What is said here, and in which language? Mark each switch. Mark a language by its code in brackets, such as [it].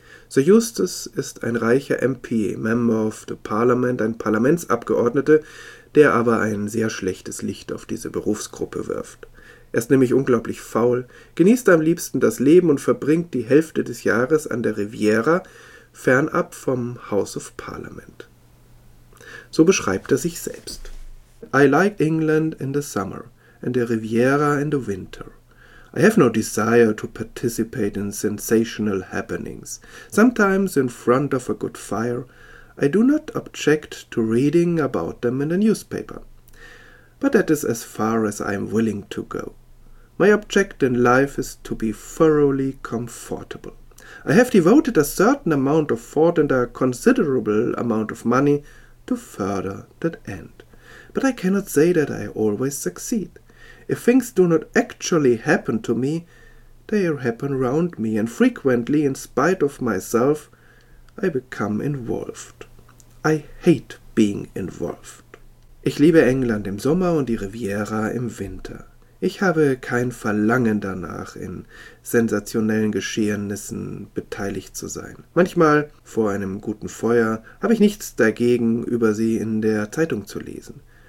[de] Sir Eustace ist ein reicher MP, [en] Member of the Parliament, [de] ein Parlamentsabgeordneter, der aber ein sehr schlechtes Licht auf diese Berufsgruppe wirft. Er ist nämlich unglaublich faul, genießt am liebsten das Leben und verbringt die Hälfte des Jahres an der Riviera, fernab vom House of Parliament. So beschreibt er sich selbst. [en] I like England in the summer and the Riviera in the winter. I have no desire to participate in sensational happenings. Sometimes in front of a good fire, I do not object to reading about them in the newspaper. But that is as far as I am willing to go. My object in life is to be thoroughly comfortable. I have devoted a certain amount of thought and a considerable amount of money to further that end. But I cannot say that I always succeed. If things do not actually happen to me, they happen round me, and frequently, in spite of myself, I become involved. I hate being involved. [de] Ich liebe England im Sommer und die Riviera im Winter. Ich habe kein Verlangen danach, in sensationellen Geschehnissen beteiligt zu sein. Manchmal, vor einem guten Feuer, habe ich nichts dagegen, über sie in der Zeitung zu lesen.